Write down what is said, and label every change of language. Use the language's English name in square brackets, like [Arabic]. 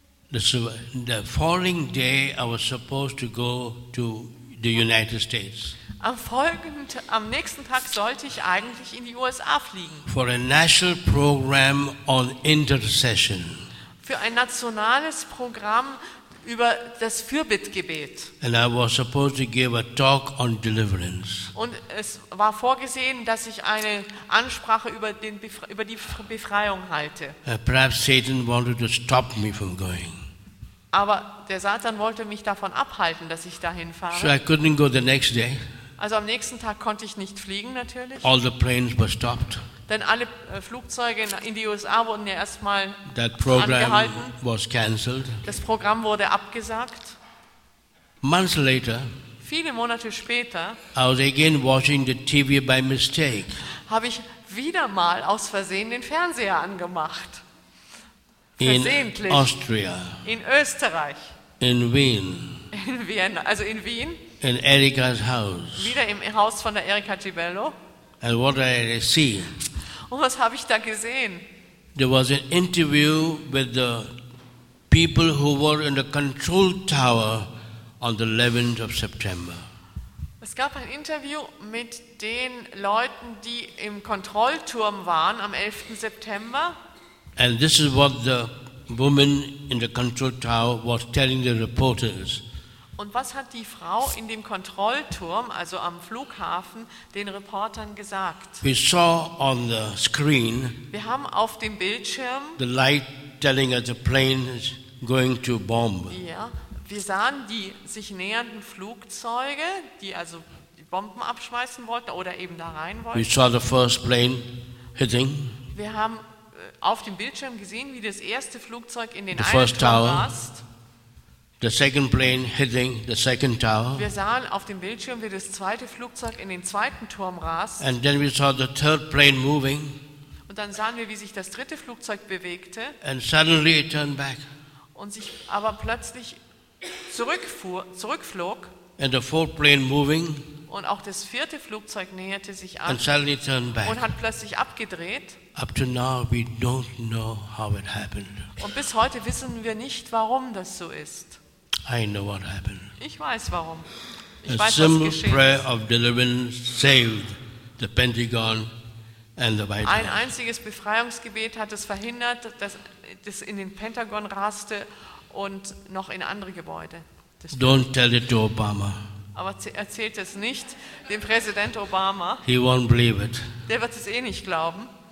[English] the following day I was supposed to go to the United States. [German] Am nächsten Tag sollte ich eigentlich in die USA fliegen. [English] For a national program on intercession. [German] Für ein nationales Programm über das Fürbittgebet. [English] And I was supposed to give a talk on deliverance. [German] Und es war vorgesehen, dass ich eine Ansprache über die Befreiung halte. [English] Perhaps Satan wanted to stop me from going. [German] Aber der Satan wollte mich davon abhalten, dass ich dahin fahre. [English] So I couldn't go the next day. [German] Also am nächsten Tag konnte ich nicht fliegen, natürlich. [English] All the planes were stopped. [German] Denn alle Flugzeuge in die USA wurden ja erstmal angehalten. [English] That program was canceled. [German] Das Programm wurde abgesagt. [English] Months later, [German] viele Monate später, [English] I was again watching the TV by mistake. [German] Habe ich wieder mal aus Versehen den Fernseher angemacht. [English] In Austria, [German] in Österreich, [English] in Wien, [German] in Wien, also in Wien, [English] in Erika's house, [German] wieder im Haus von der Erika Cibello. [English] And what did I see? [German] Und was habe ich da gesehen? [English] There was an interview with the people who were in the control tower on the 11th of September. [German] Es gab ein Interview mit den Leuten, die im Kontrollturm waren am 11. September. [English] And this is what the woman in the control tower was telling the reporters. [German] Und was hat die Frau in dem Kontrollturm, also am Flughafen, den Reportern gesagt? [English] We saw on the screen. [German] Wir haben auf dem Bildschirm [English] the light telling us the plane is going to bomb. [German] Ja, wir sahen die sich nähernden Flugzeuge, die also die Bomben abschmeißen wollten oder eben da rein wollten. [English] We saw the first plane hitting. [German] Wir haben auf dem Bildschirm gesehen, wie das erste Flugzeug in den Eiffelturm rast. [English] The second plane hitting the second tower. [German] Wir sahen auf dem Bildschirm, wie das zweite Flugzeug in den zweiten Turm rast. [English] And then we saw the third plane moving. [German] Und dann sahen wir, wie sich das dritte Flugzeug bewegte. [English] And suddenly it turned back. [German] Und sich aber plötzlich zurückflog. [English] And the fourth plane moving. [German] Und auch das vierte Flugzeug näherte sich an. [English] And suddenly turned back. [German] Und hat plötzlich abgedreht. [English] Up to now we don't know how it happened. [German] Und bis heute wissen wir nicht, warum das so ist. [English] I know what happened. [German] Ich weiß, warum. Ich weiß, was geschehen ist. [English] A simple prayer of deliverance saved the Pentagon and the White House. [German] Ein einziges Befreiungsgebet hat es verhindert, dass das in den Pentagon raste und noch in andere Gebäude. [English] Don't tell it to Obama. [German] Aber erzählt es nicht dem Präsident Obama. [English] He won't believe it. [German] Der wird es eh nicht glauben.